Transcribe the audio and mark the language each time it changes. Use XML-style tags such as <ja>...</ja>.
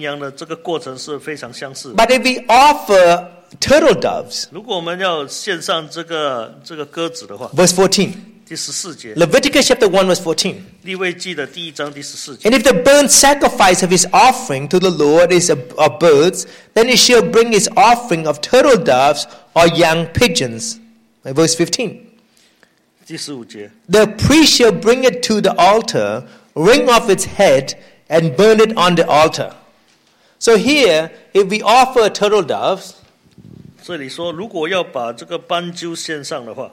<zh>当然，献这个公羊还是绵羊的这个过程是非常相似的。</zh> <en>But if we offer turtle doves,</en> <zh>如果我们要献上这个鸽子的话，</zh> <en>verse 14.</en> <zh>第十四节,</zh> <en>Leviticus chapter 1 verse 14.</en> <zh>利未记的第一章第十四节,</zh> <en>and if the burnt sacrifice of his offering to the Lord is of birds, then he shall bring his offering of turtle doves or young pigeons. Verse 15.</en> <zh>第十五节,</zh> <en>the priest shall bring it to the altar, wring off its head, and burn it on the altar. So here, if we offer turtle doves,</en> <zh>这里说如果要把这个斑鸠献上的话,</zh>